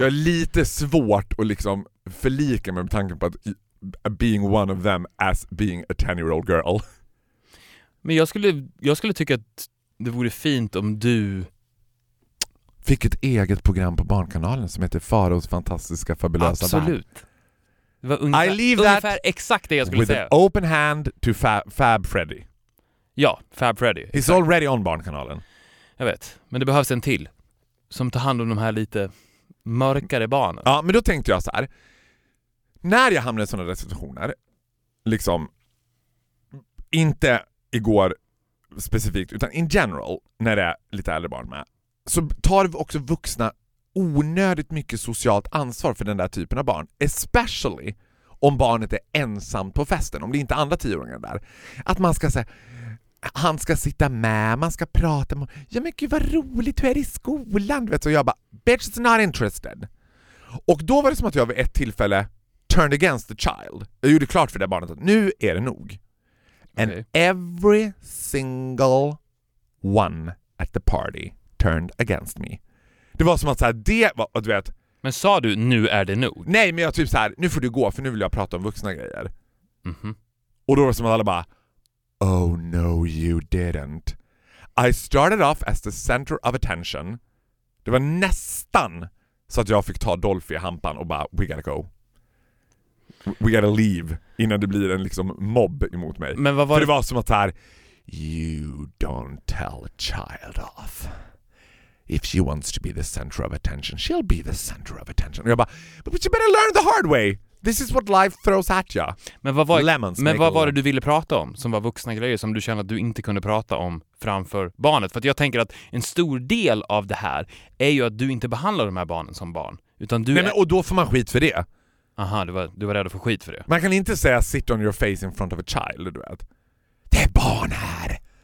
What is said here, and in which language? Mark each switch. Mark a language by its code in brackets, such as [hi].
[sv] Jag är lite svårt att liksom förlika mig med tanken på att [en] being one of them as being a 10-year-old girl. [sv] Men jag skulle tycka att det vore fint om du fick ett eget program på Barnkanalen som heter Faros fantastiska fabulösa värld. Absolut. Det var ungefär, [en] I leave that [sv] ungefär exakt det jag skulle [en] with [sv] säga. [en] With an open hand to Fab Freddy. [sv] Ja, Fab Freddy. [en] He's [sv] exakt. [en] Already on Barnkanalen. [sv] Jag vet, men det behövs en till som tar hand om de här lite mörkare barnen. Ja, men då tänkte jag så här. När jag hamnar i sådana situationer, liksom inte igår specifikt, utan [en] in general [sv] när det är lite äldre barn med, så tar vi också vuxna onödigt mycket socialt ansvar för den där typen av barn. Especially om barnet är ensamt på festen, om det inte är andra 10-åringar där. Att man ska säga, han ska sitta med, man ska prata med, ja men gud vad roligt, hur är det i skolan? Du vet, så jag bara, [en] bitch is not interested. [sv] Och då var det som att jag vid ett tillfälle [en] turned against the child. [sv] Jag gjorde klart för det barnet att nu är det nog. [en] And every single one at the party turned against me. [sv] Det var som att så här, det var, du vet. Men sa du, nu är det nog? Nej, men jag typ så här, nu får du gå för nu vill jag prata om vuxna grejer. Mm-hmm. Och då var det som att alla bara, [en] oh no you didn't. I started off as the center of attention. [sv] Det var nästan så att jag fick ta Dolph i hampan och bara, [en] we gotta go. We gotta leave [sv] innan det blir en liksom mobb emot mig. Men vad var för det var som att här, [en] you don't tell a child off. If she wants to be the center of attention, she'll be the center of attention. [sv] Jag bara, [en] but you better learn the hard way. This is what life throws at you. [sv] Men vad var, vad var det du ville prata om som var vuxna grejer som du kände att du inte kunde prata om framför barnet? För att jag tänker att en stor del av det här är ju att du inte behandlar de här barnen som barn. Utan du nej, men, och då får man skit för det. Aha, du var rädd att få skit för det. Man kan inte säga [en] sit on your face in front of a child, [sv] du vet. Det är barn här.